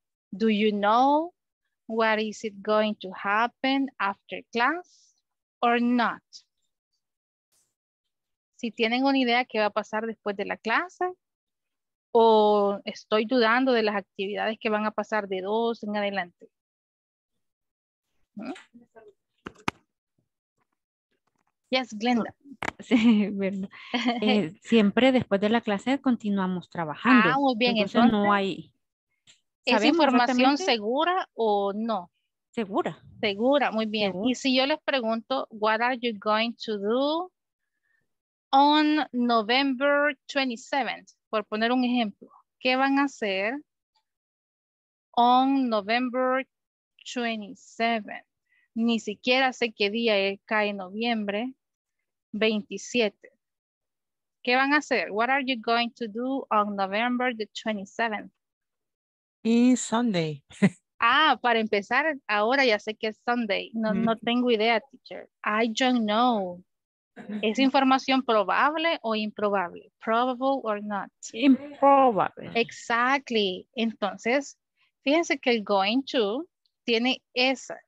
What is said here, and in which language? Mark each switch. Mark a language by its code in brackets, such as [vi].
[en] Do you know what is it going to happen after class or not? [es] Si tienen una idea qué va a pasar después de la clase, o estoy dudando de las actividades que van a pasar de 2 en adelante. [en] Yes, Glenda. [es] Sí, bueno. Siempre después de la clase continuamos trabajando. Ah, muy bien. Entonces, no hay. ¿Es información segura o no? Segura. Segura, muy bien. Segura. Y si yo les pregunto, [en] what are you going to do on November 27th? [es] Por poner un ejemplo, ¿qué van a hacer [en] on November 27th? [es] Ni siquiera sé qué día cae noviembre 27. ¿Qué van a hacer? [en] What are you going to do on November the 27th? It's Sunday. [es] Ah, para empezar, ahora ya sé que es Sunday. No, no tengo idea, teacher. [en] I don't know. [es] ¿Es información probable o improbable? [en] Probable or not. [es] Improbable. [en] Exactly. [es] Entonces, fíjense que el going to tiene esa.